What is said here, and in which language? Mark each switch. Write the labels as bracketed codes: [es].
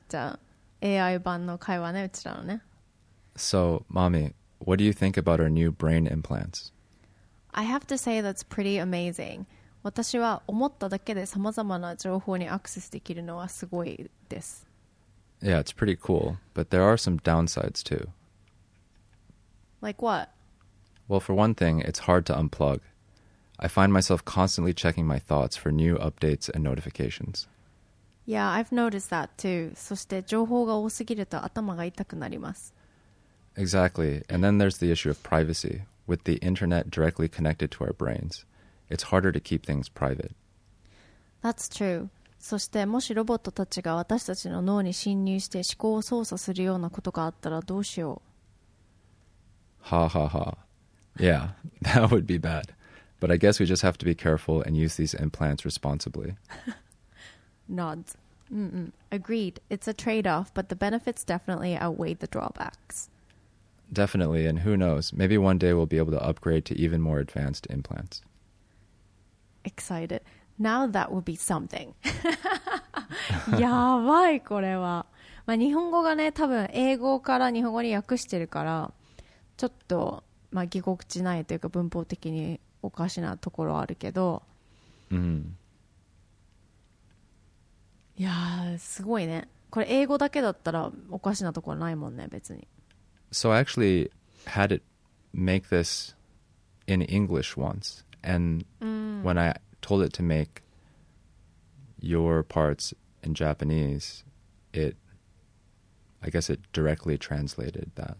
[ja] じゃあ、AI 版の会話ね、うちらのね。 [en] So, Mommy, what do you think about our new brain implants? I have to say that's pretty amazing. [ja] 私は思っただけで様々な情報にアクセスできるのはすごいです。 [en] Yeah, it's pretty cool. But there are some downsides too. Like what? Well, for one thing, it's hard to unplug. I find myself constantly checking my thoughts for new updates and notifications. Yeah, I've noticed that too. [ja] そして情報が多すぎると頭が痛くなります。 [en] Exactly. And then there's the issue of privacy. With the internet directly connected to our brains, it's harder to keep things private. That's true. [ja] そしてもしロボットたちが私たちの脳に侵入して思考を操作するようなことがあったらどうしよう。 [en] Ha ha ha. Yeah, that would be bad. But I guess we just have to be careful and use these implants responsibly. Nods. Mm-mm. Agreed. It's a trade-off, but the benefits definitely outweigh the drawbacks. Definitely, and who knows? Maybe one day we'll be able to upgrade to even more advanced implants. Excited. Now that would be something. [ja] やばいこれは。まあ、日本語がね、多分英語から日本語に訳してるから、ちょっと…まあ、ぎこちないというか文法的におかしなところあるけど、うん、いやーすごいね。これ英語だけだったらおかしなところないもんね、別に。 [en] So I actually had it make this in English once, and、 [ja] うん、 [en] when I told it to make your parts in Japanese, it, I guess it directly translated that.